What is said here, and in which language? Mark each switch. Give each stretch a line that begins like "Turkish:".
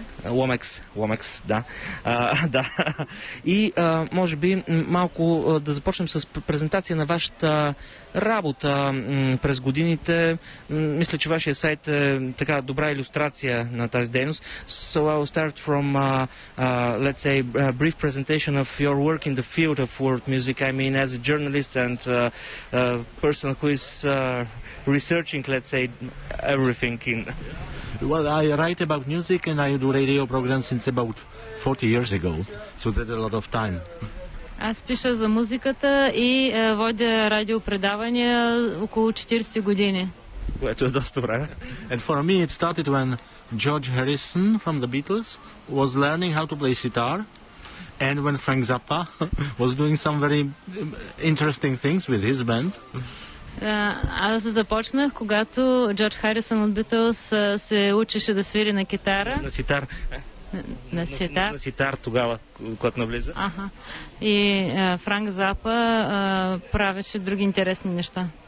Bulgarian: Ломекс, да. Да. И може би малко да започнем с презентация на вашата работа през годините. Мисля, че вашия сайт е така добра илюстрация на тази дейност.
English: So I'll start from, let's say, a brief presentation of your work in the field of world music. I mean, as a journalist and a person who is researching, let's say, everything in... Well, I write about music and I do radio programs since about 40 years ago, so that's a lot of time.
Bulgarian: Аз пиша за музиката и водя радиопредавания около 40 години. Което е доста време.
English: And for me it started when George Harrison from the Beatles was learning how to play sitar and when Frank Zappa was doing some very interesting things with his band.
Bulgarian: Аз започнах, когато Джордж Харисън от Битълс се учеше да свири на китара. На ситар. На ситар тогава, когато навлиза. Ага. И Франк Запа правеше други интересни неща.